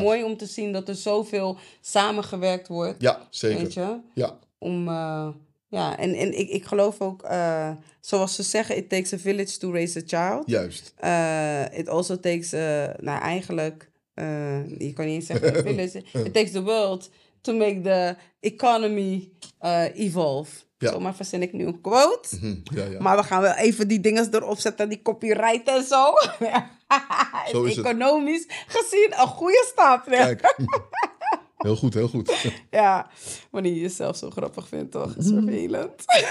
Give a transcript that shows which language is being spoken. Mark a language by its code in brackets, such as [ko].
[nl] Mooi om te zien dat er zoveel samengewerkt wordt. Ja, zeker. Weet je? Ja. Om... Ja, en ik geloof ook, zoals ze zeggen, [en] it takes a village to raise a child. [nl] Juist. [en] It also takes, [nl] je kan niet eens zeggen [en] a village. It takes the world to make the economy evolve. [nl] Ja. Zo, maar verzin ik nu een quote. Mm-hmm. Ja, ja. Maar we gaan wel even die dingen erop zetten, die copyright en zo. Zo is economisch het. Gezien een goede stap. Ja. Kijk. Heel goed, heel goed. Ja, wanneer je jezelf zo grappig vindt, toch? Is vervelend.